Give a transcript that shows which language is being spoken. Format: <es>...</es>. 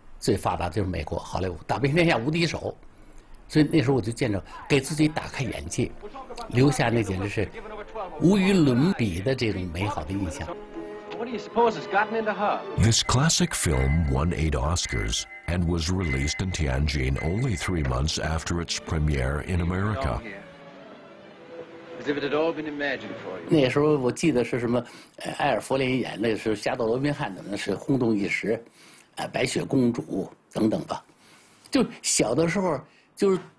<zh>1940年演的时候，我在天津看过的，那打开了人生的境界，有这么美丽的故事，这么好看的，因为当时世界上只有一个国家电影是最发达，就是美国好莱坞，打遍天下无敌手。所以那时候我就见着，给自己打开眼界，留下那简直是无与伦比的这种美好的印象。</zh> <en>What do you suppose has gotten into her? This classic film won 8 Oscars and was released in Tianjin only 3 months after its premiere in America. As if it had all been imagined for you.</en> <zh>那时候我记得是什么，艾尔弗林演那是《侠盗罗宾汉》，那是轰动一时，白雪公主等等吧，就小的时候，就是。</zh>